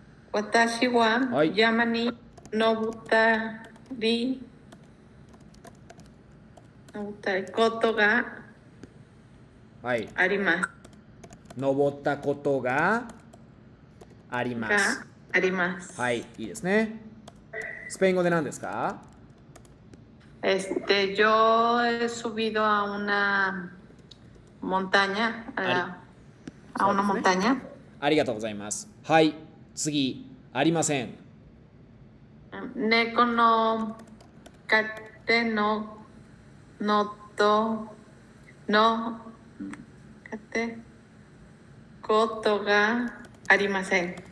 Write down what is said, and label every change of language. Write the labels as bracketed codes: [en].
[ja] 私は、はい、山に登ったり登ったことがあります。登ったことがあります。あります。はい、いいですね。スペイン語で何ですか？ [es] Yo he subido a una montaña, a una montaña. [ja] ありがとうございます。はい、次、ありません。猫の勝手の音の勝手ことがありません。